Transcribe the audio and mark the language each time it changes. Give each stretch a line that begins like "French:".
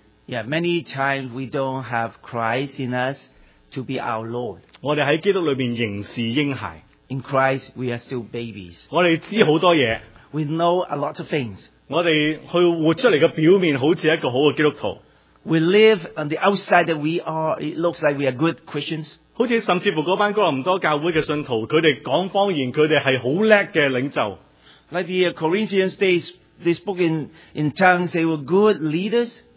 English: Yeah, many times we don't have Christ in us to be our Lord.
Chinese: 我们在基督里面仍是婴孩。
English: In Christ, we are still babies.
Chinese: 我们知道很多东西。
English: We know a lot of things.
Chinese: 我们去活出来的表面好像一个好的基督徒。
English: We live on the outside that we are, it looks like we are good Christians.
Chinese: 好像甚至乎那班哥林多教会的信徒, 他们讲方言, 他们是很厉害的领袖。
English: Like the Corinthians, they spoke in tongues, they were good leaders.